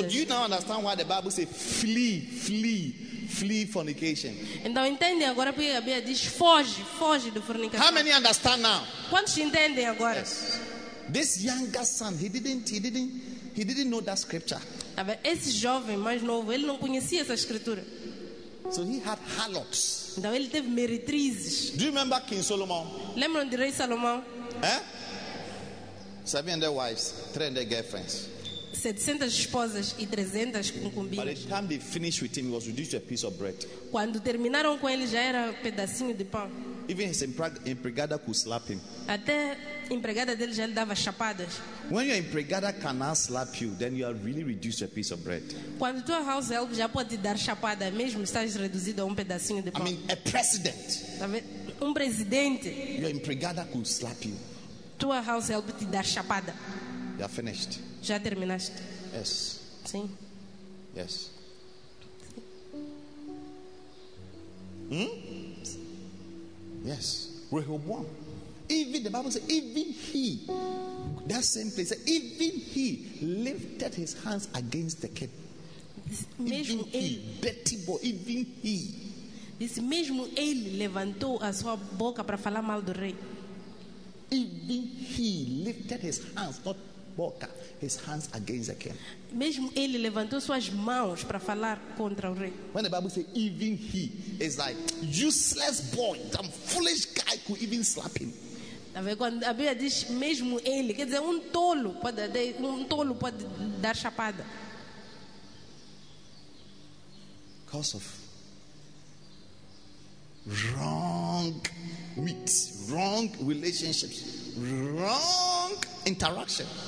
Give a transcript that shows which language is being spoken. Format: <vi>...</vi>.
<en>So, do you now understand why the Bible says flee fornication?</en> <pt>Então, entendem agora porque a Bíblia diz foge do fornicação.</pt> <en>How many understand now?</en> <pt>Quantos entendem agora?</pt> <en>Yes. This younger son, he didn't know that scripture.</en> <pt>Esse jovem mais novo, ele não conhecia essa escritura.</pt> <en>So he had harlots.</en> <pt>Então ele teve meretrizes.</pt> <en>Do you remember King Solomon?</en> <pt>Lembram de Rei Salomão?</pt> <en>700 wives, 300 girlfriends.</en> <pt>700 esposas e 300 concubinas.</pt> <en>By the time they finished with him, he was reduced to a piece of bread.</en> <pt>Quando terminaram com ele, já era um pedacinho de pão.</pt> <en>Even his empregada could slap him.</en> <pt>Até empregada dele já lhe dava chapadas.</pt> <en>When your empregada cannot slap you, then you are really reduced to a piece of bread.</en> <pt>Quando tua household já pode te dar chapada, mesmo estás reduzido a um pedacinho de pão.</pt> <en>I mean, a president.</en> <pt>Presidente.</pt> <en>Your empregada could slap you.</en> <pt>Tua household te dar chapada.</pt> <en>You are finished.</en> <pt>Já terminaste?</pt> <en>Yes.</en> <pt>Sim.</pt> <en>Yes. Yes. Rehoboam. Even the Bible says, even he, that same place, even he lifted his hands against the king. Even he.</en> <pt>Diz mesmo ele levantou a sua boca para falar mal do rei.</pt> <en>Even he lifted his hands, not boca, his hands against the king.</en> <pt>Mesmo ele levantou suas mãos para falar contra o rei.</pt> <en>When the Bible says even he, it's like useless boy, some foolish guy could even slap him.</en> <pt>Quando a Bíblia diz mesmo ele, quer dizer um tolo pode dar chapada.</pt> <en>Because of wrong meets, wrong relationships, wrong interaction.</en>